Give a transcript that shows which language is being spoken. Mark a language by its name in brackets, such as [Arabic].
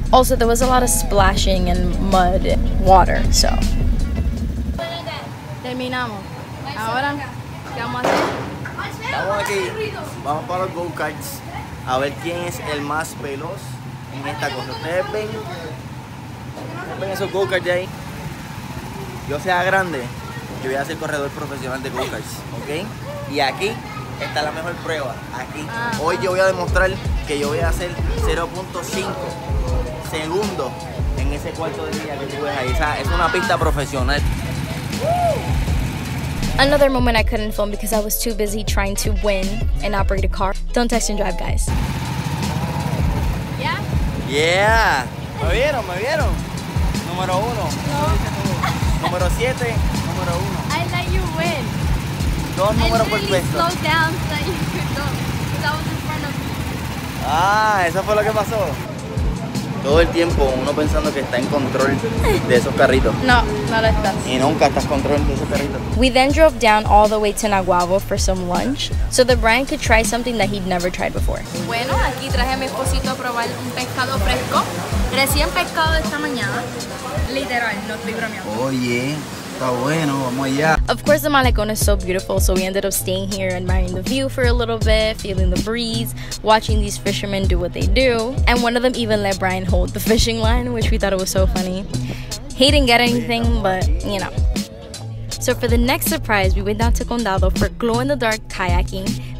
[English] Also, there was a lot of splashing and mud and water, so. [Spanish] Yo sea grande, yo voy a ser corredor profesional de go-karts, ¿ok? Y aquí está la mejor prueba, aquí. Hoy yo voy a demostrar que yo voy a hacer 0.5 segundos en ese cuarto de día que tú ves ahí. O sea, es una pista profesional. [English] Another moment I couldn't film because I was too busy trying to win and operate a car. Don't text and drive, guys. Yeah? [Spanish] Yeah. Me vieron. Número uno. No. Número siete. Número uno. [English] I let you win. [Spanish] Dos números por peso. Ah, eso fue lo que pasó. Todo el tiempo uno pensando que está en control de esos carritos. No, no lo estás. Y nunca estás control de esos carritos. [English] We then drove down all the way to Naguabo for some lunch, so that Brian could try something that he'd never tried before. [Spanish] Bueno, aquí traje a mi esposito a probar un pescado fresco, recién pescado de esta mañana. Literal, no estoy bromeando. Oye. [English] Of course, the Malecón is so beautiful, so we ended up staying here, admiring the view for a little bit, feeling the breeze, watching these fishermen do what they do. And one of them even let Brian hold the fishing line, which we thought it was so funny. He didn't get anything, but you know. So for the next surprise, we went down to Condado for glow-in-the-dark kayaking.